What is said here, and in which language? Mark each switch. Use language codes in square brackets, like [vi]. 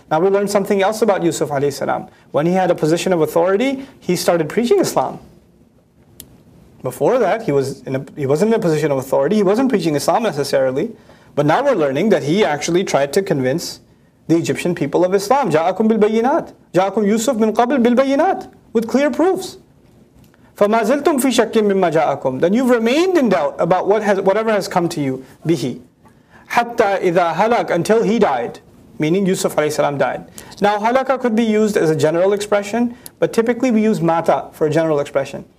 [en] Now we learn something else about Yusuf alayhi salam. When he had a position of authority, he started preaching Islam. Before that, he wasn't in a position of authority. He wasn't preaching Islam necessarily. But now we're learning that he actually tried to convince the Egyptian people of Islam. [ar] جَاءَكُمْ بِالْبَيِّنَاتِ, جَاءَكُمْ يُوسُفْ مِنْ قَبْلِ بِالْبَيِّنَاتِ, [en] with clear proofs. [ar] فَمَا زِلْتُمْ فِي شَكِّمْ مِمَّا جَاءَكُمْ, [en] then you've remained in doubt about whatever has come to you, bihi. [ar] حَتَّى إِذَا هَلَكْ, [en] until he died. Meaning Yusuf alayhi salam died. Now halaka could be used as a general expression, but typically we use mata for a general expression.